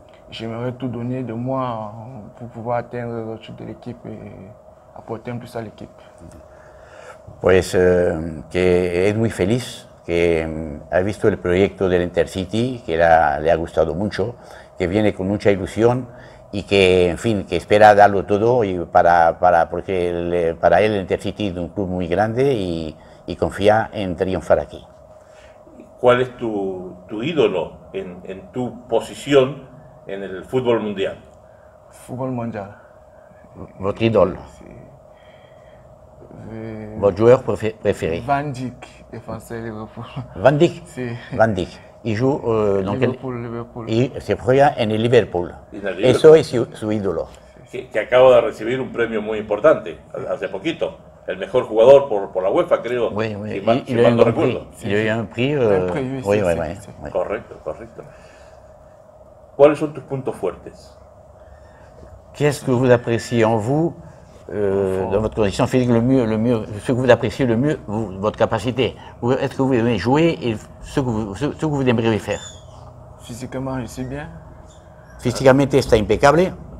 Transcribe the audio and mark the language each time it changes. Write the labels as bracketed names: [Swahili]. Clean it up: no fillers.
[French] J'aimerais tout donner de moi pour pouvoir atteindre le reste de l'équipe et apporter un plus à l'équipe. [Spanish] Pues que es muy feliz, que ha visto el proyecto del Intercity, que le ha gustado mucho, que viene con mucha ilusión y que, en fin, que espera darlo todo y porque para él el Intercity es un club muy grande y confía en triunfar aquí. ¿Cuál es tu ídolo en tu posición en el fútbol mundial? Fútbol mundial. [French] ¿Votre ídolo? ¿Votre joueur préféré? Van Dijk, défenseur Liverpool. [Spanish] Van Dijk? Sí. Van Dijk. Y joue Liverpool. Y se juega en el Liverpool. Eso es su ídolo. Que acaba de recibir un premio muy importante, hace poquito. El mejor jugador por la UEFA, creo. Y le dio un premio. Correcto, correcto. ¿Cuáles son tus puntos fuertes? [French] Qu'est-ce que vous appréciez en vous? Dans votre condition physique, le mieux, ce que vous appréciez le mieux, votre capacité. Ou est-ce que vous aimez jouer et ce que vous aimeriez faire? Physiquement, je suis bien. Physiquement, c'est impeccable.